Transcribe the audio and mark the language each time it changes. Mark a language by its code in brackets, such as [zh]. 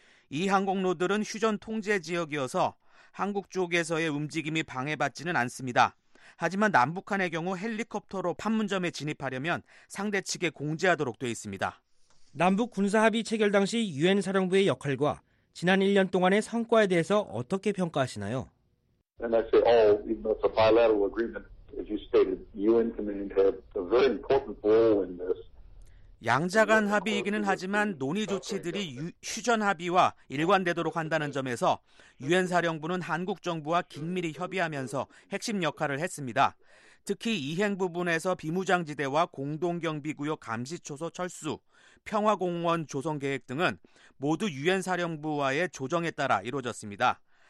[ko] 이 항공로들은 휴전 통제 지역이어서 한국 쪽에서의 움직임이 방해받지는 않습니다. 하지만 남북한의 경우 헬리콥터로 판문점에 진입하려면 상대 측에 공지하도록 돼 있습니다. 남북 군사합의 체결 당시 유엔 사령부의 역할과 지난 1년 동안의 성과에 대해서 어떻게 평가하시나요? [en] And I say, it's a bilateral agreement. As you stated, UN community had a very important role in this. [ko] 양자 간 합의이기는 하지만 논의 조치들이 휴전 합의와 일관되도록 한다는 점에서 유엔 사령부는 한국 정부와 긴밀히 협의하면서 핵심 역할을 했습니다. 특히 이행 부분에서 비무장지대와 공동경비구역 감시초소 철수, 평화공원 조성 계획 등은 모두 유엔 사령부와의 조정에 따라 이루어졌습니다.